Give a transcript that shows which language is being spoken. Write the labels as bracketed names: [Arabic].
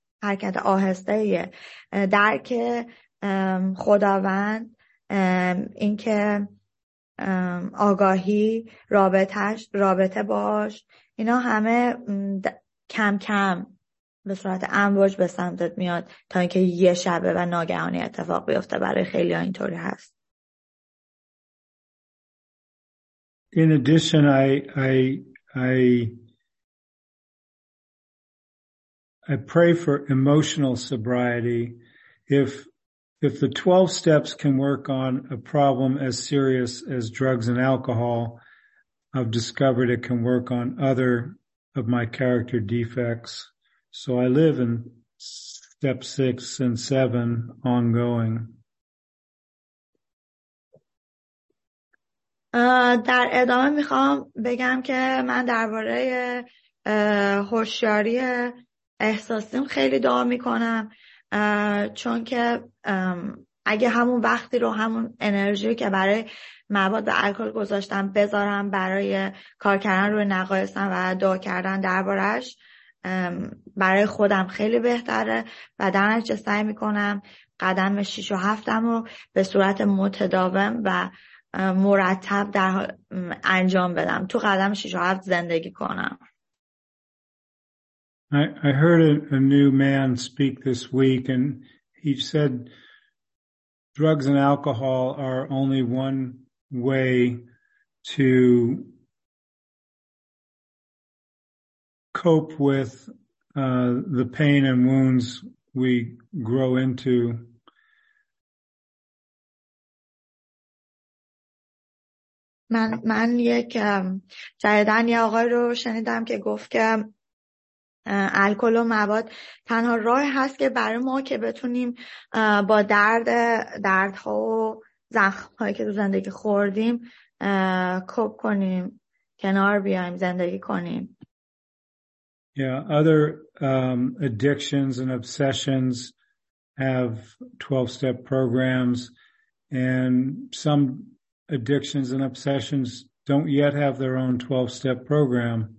[Persian] حرکت آهسته‌ایه. درک خداوند، این که آگاهی، رابطه باش، اینا همه کم کم به صورت امواج به سمتت میاد تا اینکه یه شبه و ناگهانی اتفاق بیفته. برای خیلی ها اینطوری هست. [English] In addition, I pray for emotional sobriety. If the 12 steps can work on a problem as serious as drugs and alcohol, I've discovered it can work on other of my character defects. So I live in step 6 and 7 ongoing. [Persian] در ادامه میخوام بگم که من درباره هوشیاری احساسیم خیلی دعا میکنم، چون که اگه همون وقتی رو، همون انرژی که برای مواد و الکل گذاشتم بذارم برای کار کردن روی نقایصم و دعا کردن دربارش، برای خودم خیلی بهتره و در نتیجه سعی میکنم قدم 6 و 7م رو به صورت متداوم و مرتب در انجام بدم، تو قدم 6 و 7 زندگی کنم. [English] I heard a new man speak this week, and he said drugs and alcohol are only one way to cope with the pain and wounds we grow into. [Persian] من یک جدیدن یه آقای رو شنیدم که گفت که الکل و مواد تنها راه هست که برای ما که بتونیم با دردها و زخمهایی که تو زندگی خوردیم کوپ کنیم، کنار بیایم، زندگی کنیم. [English] Yeah, other addictions and obsessions have 12-step programs, and some addictions and obsessions don't yet have their own 12-step program.